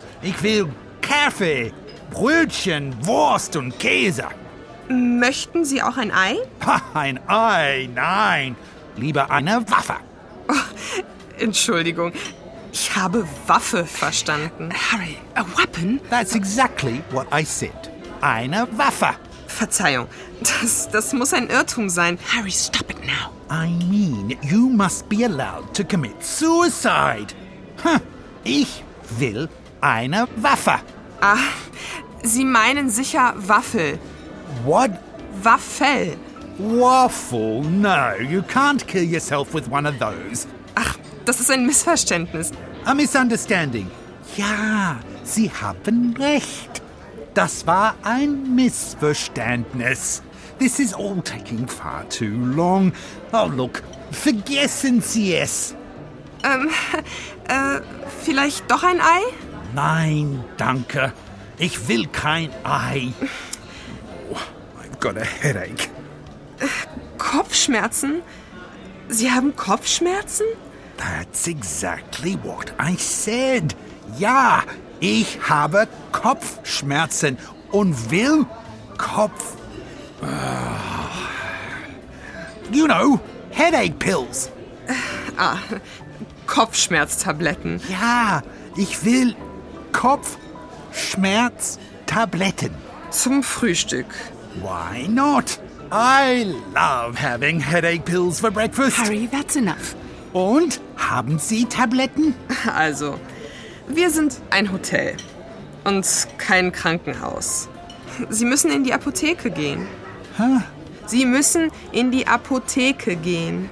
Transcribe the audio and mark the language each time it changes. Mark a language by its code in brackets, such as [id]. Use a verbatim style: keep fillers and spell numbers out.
[de] Ich will Kaffee, Brötchen, Wurst und Käse. Möchten Sie auch ein Ei? Ha, ein Ei, nein. Lieber eine Waffe. Oh, Entschuldigung, ich habe Waffe verstanden. [en] Harry, a weapon? That's exactly what I said. [de] Eine Waffe. Verzeihung, das, das muss ein Irrtum sein. [en] Harry, stop it now. I mean, you must be allowed to commit suicide. [de] Huh. Ich will eine Waffe. Ah, Sie meinen sicher Waffel. [en] What? [de] Waffel. [en] Waffle? No, you can't kill yourself with one of those. [de] Ach, das ist ein Missverständnis. [en] A misunderstanding. [de] Ja, Sie haben recht. Das war ein Missverständnis. [en] This is all taking far too long. Oh, look, [de] vergessen Sie es. Ähm, äh, vielleicht doch ein Ei? Nein, danke. Ich will kein Ei. [en] Oh, I've got a headache. [de] Kopfschmerzen? Sie haben Kopfschmerzen? [en] That's exactly what I said. [de] Ja, ich habe Kopfschmerzen und will Kopf... [en] You know, headache pills. [de] Ah, Kopfschmerztabletten. Ja, ich will Kopfschmerztabletten. Zum Frühstück. [en] Why not? I love having headache pills for breakfast. Harry, that's enough. [de] Und, haben Sie Tabletten? Also... Wir sind ein Hotel und kein Krankenhaus. Sie müssen in die Apotheke gehen. Huh? Sie müssen in die Apotheke gehen.